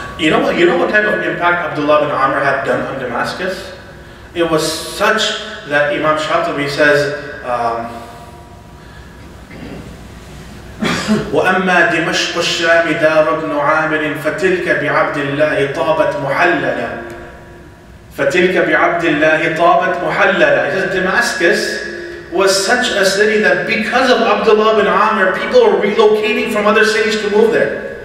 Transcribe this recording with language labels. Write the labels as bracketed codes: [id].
[en] You know what type of impact Abdullah bin Amr had done on Damascus? It was such that Imam Shatibi says, [ar] وَأَمَّا دِمَشْقُ الشَّامِ دَارُ ابْنُ عَامِرٍ فَتِلْكَ بِعَبْدِ اللَّهِ طَابَتْ مُحَلَّلًا فَتِلْكَ بِعَبْدِ اللَّهِ طَابَتْ مُحَلَّلًا. [en] It says Damascus was such a city that because of Abdullah bin Amr, people were relocating from other cities to move there.